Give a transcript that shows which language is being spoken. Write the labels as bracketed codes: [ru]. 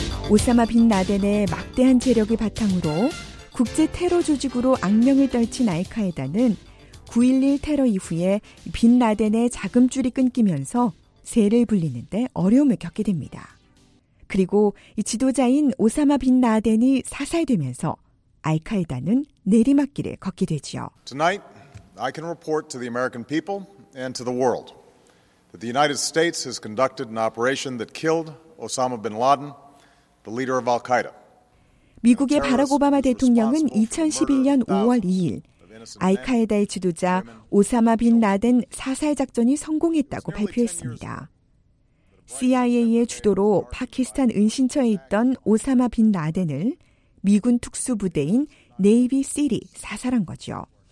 [ko] 오사마 빈 라덴의 막대한 재력을 바탕으로 국제 테러 조직으로 악명을 떨친 알카에다는 9.11 테러 이후에 빈 라덴의 자금줄이 끊기면서 세를 불리는 데 어려움을 겪게 됩니다. 그리고 이 지도자인 오사마 빈 라덴이 사살되면서 알카에다는 내리막길을 걷게 되지요. [en] Tonight, I can report to the American people and to the world that the United States has conducted an operation that killed Osama bin Laden, the leader of Al-Qaeda. [ko] 미국의 바락 오바마 대통령은 2011년 5월 2일 알카에다의 지도자 오사마 빈 라덴 사살 작전이 성공했다고 발표했습니다. CIA의 주도로 파키스탄 은신처에 있던 오사마 빈 라덴을 미군 특수부대인 네이비 씰이 사살한 거죠.